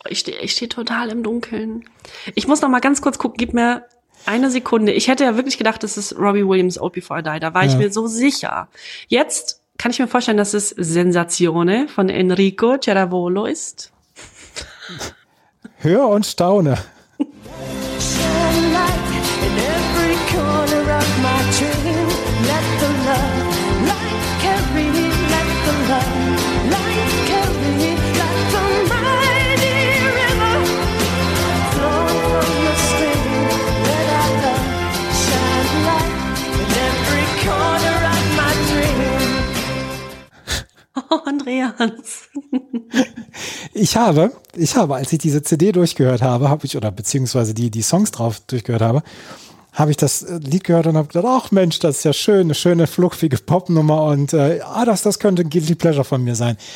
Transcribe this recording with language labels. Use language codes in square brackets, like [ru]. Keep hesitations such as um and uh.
[de] Ich stehe ich steh total im Dunkeln. Ich muss noch mal ganz kurz gucken, gib mir eine Sekunde. Ich hätte ja wirklich gedacht, das ist Robbie Williams Old Before I Die. Da war ich Ja. mir so sicher. Jetzt kann ich mir vorstellen, dass es Sensazione von Enrico Ceravolo ist. Hör und staune. [en] Sunlight in every corner of my dream. Let the love, light carry me. Let the love, light carry me. Let the mighty river flow from the stream. Let our love shine light in every corner of my dream. [de] Oh, Andreas. Ich habe, ich habe, als ich diese CD durchgehört habe, habe ich, oder beziehungsweise die, die Songs drauf durchgehört habe, habe ich das äh, Lied gehört und habe gedacht, ach Mensch, das ist ja schön, eine schöne, fluffige Popnummer und äh, ah, das, das könnte ein Guilty Pleasure von mir sein.